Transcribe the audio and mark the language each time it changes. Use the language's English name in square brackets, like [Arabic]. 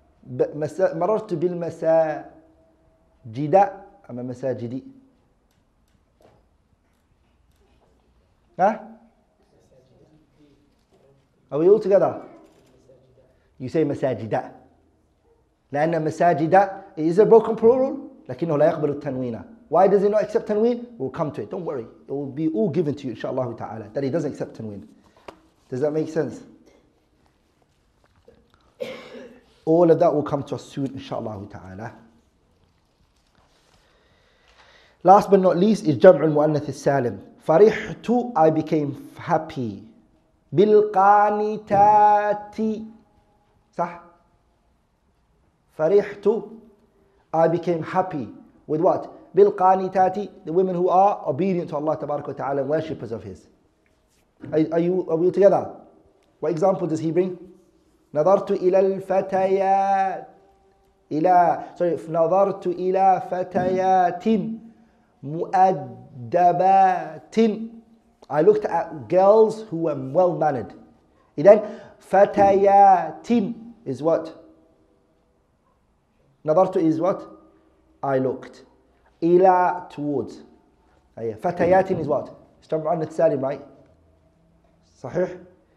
[Arabic] مررت بالمساجد أما مساجدي ها أو يقول [English] together you say [Arabic] مساجد لأن مساجد [English] is a broken plural [Arabic] لكنه لا يقبل التنوين. [English] Why does he not accept tanween? We'll come to it. Don't worry. It will be all given to you, inshallah ta'ala, that he doesn't accept tanween. Does that make sense? All of that will come to us soon, inshallah ta'ala. Last but not least is jam'u al-mu'annath al-salim. Farihtu, I became happy. [Arabic] Bil-qanitati. Sah? [English] Farihtu, I became happy. With what? بالقانتاتي, the women who are obedient to Allah تبارك وتعالى and worshippers of His. Are we together? What example does he bring? [Arabic] نظرت إلى الفتيات إلى sorry نظرت إلى فتيات مؤدبات. [English] I looked at girls who were well mannered. إذن فتيات is what? نظرت is what? I looked. إلى towards. فتيات is what? It's جمع مؤنث سالم, right? صحيح?